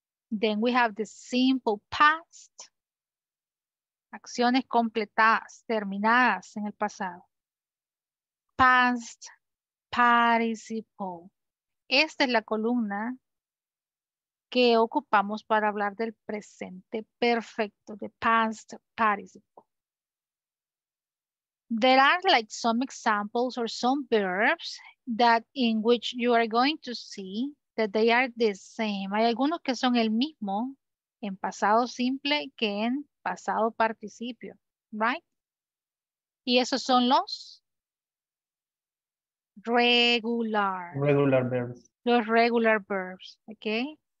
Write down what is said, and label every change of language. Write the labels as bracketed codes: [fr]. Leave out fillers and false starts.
[en] Then we have the simple past. [es] Acciones completadas, terminadas en el pasado. [en] Past participle. [es] Esta es la columna que ocupamos para hablar del presente perfecto, de past participle. [en] There are like some examples or some verbs that in which you are going to see that they are the same. [es] Hay algunos que son el mismo en pasado simple que en pasado participio, right? Y esos son los [en] regular verbs. [es] Los regular verbs, okay?